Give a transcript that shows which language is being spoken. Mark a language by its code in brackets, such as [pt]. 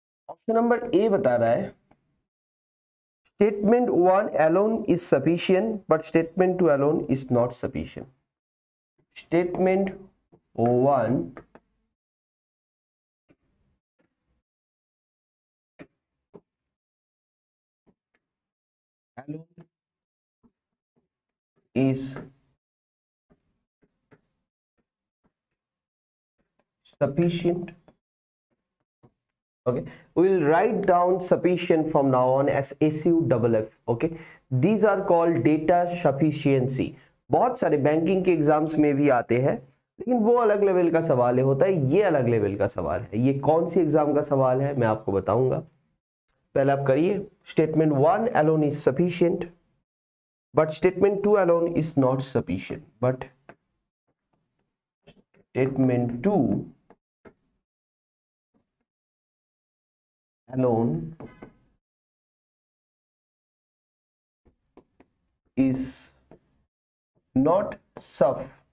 [en] option number A [hi] बता रहा है [en] Statement 1 alone is sufficient but statement 2 alone is not sufficient. Statement 1 is sufficient. Okay, we'll write down sufficient from now on as SUFF. Okay, these are called data sufficiency. [hi] बहुत सारे banking के exams में भी आते हैं लेकिन वो अलग लेवल का सवाल है होता है, ये अलग लेवल का सवाल है। ये कौन सी एग्जाम का सवाल है मैं आपको बताऊंगा। पहले आप करिए [en] Statement 1 alone is sufficient but statement 2 alone is not sufficient, but statement 2 alone is not suff.